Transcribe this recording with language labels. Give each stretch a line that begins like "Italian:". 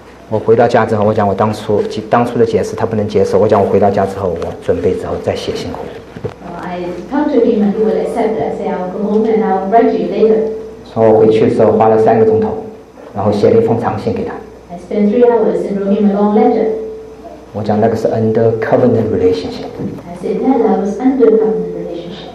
Chinese: 我回到家之后，我讲我当初的解释他不能接受。我讲我回到家之后，我准备之后再写信回来。
English: I talked to him and he will accept. I say I'll go home and I'll write you later.
Chinese: 从我回去的时候花了三个钟头，然后写了一封长信给他。
English: I spent 3 hours and wrote him a long letter.
Chinese: 我讲那个是
English: under covenant relationship. I said that I was under covenant relationship.